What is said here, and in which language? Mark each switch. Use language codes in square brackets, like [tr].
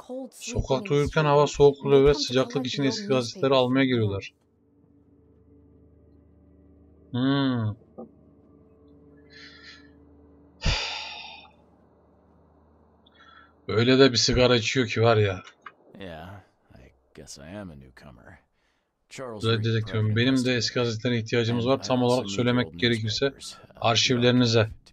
[tr] Sokakta uyurken hava soğuk oluyor ve sıcaklık için eski gazeteleri almaya geliyorlar. Öyle de bir sigara içiyor ki var ya. [en] Yeah, I guess I am a newcomer. [tr] Dedektörüm, benim de eski gazetelere ihtiyacımız var. Tam olarak söylemek gerekirse arşivlerinize.